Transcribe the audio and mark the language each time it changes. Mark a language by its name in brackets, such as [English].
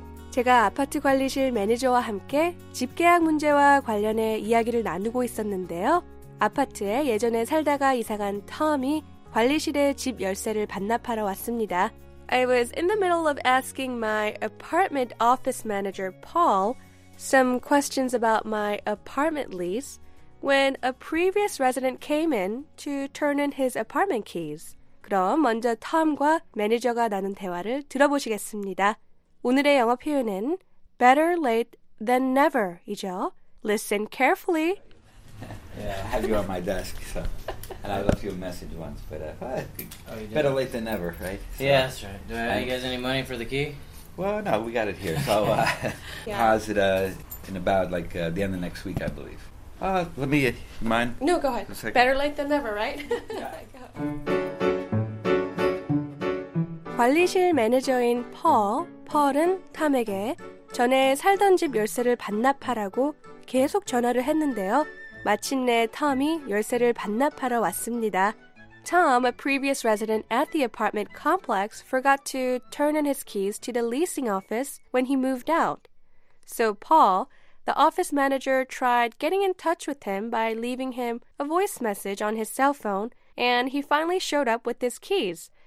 [Korean] 제가 아파트 관리실 매니저와 함께 집계약 문제와 관련해 이야기를 나누고 있었는데요. 아파트에 예전에 살다가 이사간 Tom이 관리실에 집 열쇠를 반납하러 왔습니다. [English] I was in the middle of asking my apartment office manager, Paul, some questions about my apartment lease when a previous resident came in to turn in his apartment keys. [Korean] 그럼 먼저 Tom과 매니저가 나눈 대화를 들어보시겠습니다. 오늘의 영어 표현은 [English] better late than never [Korean] 이죠. [English] Listen carefully. Yeah, I have you on my desk, so, and I left you a message once, but better late than never, right? So, yeah, that's right. Do I have you guys any money for the key? Well, no, we got it here, so deposit in about like the end of next week, I believe. Let me, you mind? No, go ahead. Better late than never, right? Yeah. [Korean] 관리실 매니저인 펄은 탐에게 전에 살던 집 열쇠를 반납하라고 계속 전화를 했는데요. 마침내 Tom이 열쇠를 반납하러 왔습니다. [English] Tom, a previous resident at the apartment complex, forgot to turn in his keys to the leasing office when he moved out. So Paul, the office manager, tried getting in touch with him by leaving him a voice message on his cell phone, and he finally showed up with his keys.